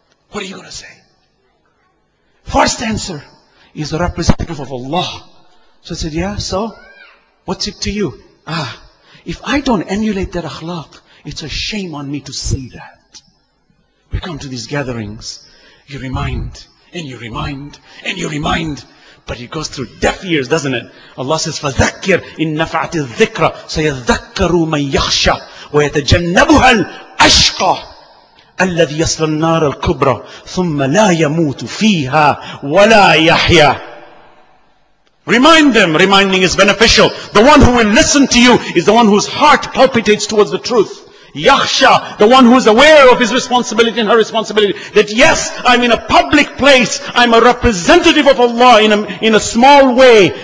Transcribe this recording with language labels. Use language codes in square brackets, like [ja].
[en] What are you going to say? First answer is the representative of Allah. So I said, yeah, so? What's it to you? Ah, if I don't emulate that akhlaq, it's a shame on me to say that. We come to these gatherings. You remind, and you remind, and you remind. But it goes through deaf ears, doesn't it? Allah says, [ar] فَذَكِّرْ إِن نَفَعَتِ الذِّكْرَ سَيَذَّكَّرُ مَنْ يَخْشَى وَيَتَجَنَّبُهَا الْأَشْقَى الَّذِي يَصْلَى النَّارَ الْكُبْرَى ثُمَّ لَا يَمُوتُ فِيهَا وَلَا يَحْيَى. [en] Remind them. Reminding is beneficial. The one who will listen to you is the one whose heart palpitates towards the truth. Yahsha, the one who is aware of his responsibility and her responsibility. That yes, I'm in a public place. I'm a representative of Allah in a small way.